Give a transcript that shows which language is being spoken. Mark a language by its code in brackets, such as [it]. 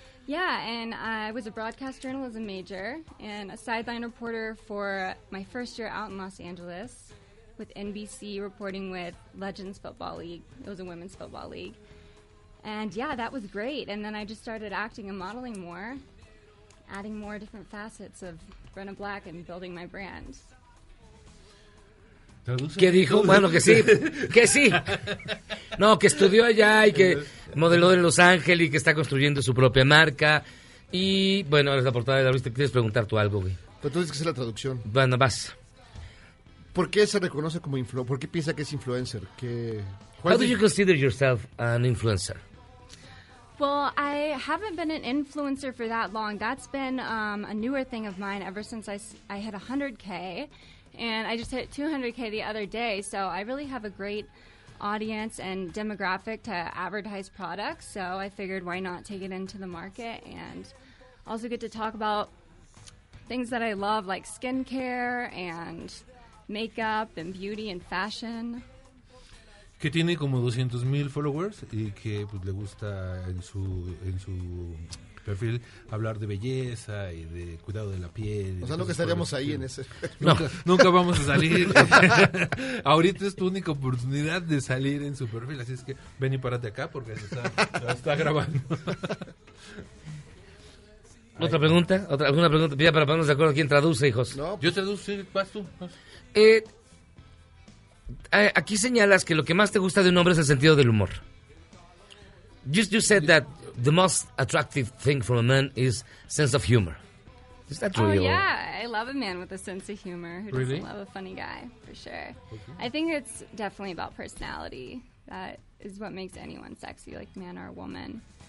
[en] Yeah, and I was a broadcast journalism major and a sideline reporter for my first year out in Los Angeles with NBC reporting with Legends Football League. It was a women's football league. And yeah, that was great. And then I just started acting and modeling more, adding more different facets of Brenna Black and building my brand. [es] ¿Qué dijo? Bueno, que sí, que sí. No, que estudió allá y que modeló en Los Ángeles y que está construyendo su propia marca. Y bueno, ahora es la portada de la revista. ¿Quieres preguntar tú algo, güey? Pero tú dices que es la traducción. Bueno, vas. ¿Por qué se reconoce como influencer? ¿Por qué piensa que es influencer? [en] How do you consider yourself an influencer? Well, I haven't been an influencer for that long. That's been a newer thing of mine ever since I hit 100K. And I just hit 200K the other day, so I really have a great audience and demographic to advertise products, so I figured why not take it into the market and also get to talk about things that I love, like skincare and makeup and beauty and fashion. [es] Que tiene como 200,000 followers y que pues, le gusta en su perfil hablar de belleza y de cuidado de la piel. O sea, nunca estaríamos ahí en ese. Nunca vamos a salir. Ahorita es tu única oportunidad de salir en su perfil, así es que ven y párate acá porque se está grabando. ¿Otra pregunta? ¿Alguna pregunta? Ya para ponernos de acuerdo, ¿quién traduce, hijos? No, yo traduzco, sí, vas tú. Aquí señalas que lo que más te gusta de un hombre es el sentido del humor. [en] You said that the most attractive thing for a man is sense of humor. Is that true? Oh, yeah. I love a man with a sense of humor who really doesn't love a funny guy, for sure. Okay. I think it's definitely about personality. That is what makes anyone sexy, like man or woman.